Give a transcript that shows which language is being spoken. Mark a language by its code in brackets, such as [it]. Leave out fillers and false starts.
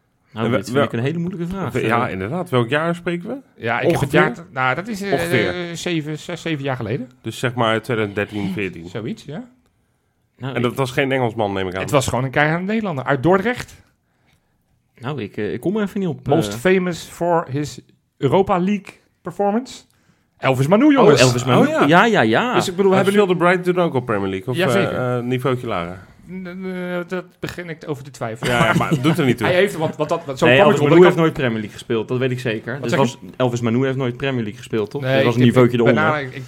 [nl] Nou, dat vind ik een hele moeilijke vraag. Inderdaad. Welk jaar spreken we? Ja, ik ongeveer? Heb het jaar... Nou, dat is 6, 7 jaar geleden. Dus zeg maar 2013, 14. Zoiets, ja. Nou, en dat was geen Engelsman, neem ik aan. Het was gewoon een keiharde Nederlander uit Dordrecht. Nou, ik kom er even niet op. [en] Most famous for his Europa League performance. [nl] Elvis Manu, jongens. Oh, Elvis Manu. Oh, ja. Ja, ja, ja. Dus ik bedoel, we hebben nu al de Brighton ook op Premier League? Of ja, niveautje lager? Dat begin ik over te twijfelen. Ja, maar dat doet er niet toe. Hij heeft, Elvis Manu heeft nooit Premier League gespeeld, dat weet ik zeker. Dus Elvis Manu heeft nooit Premier League gespeeld, toch? Nee, dat was een niveautje eronder.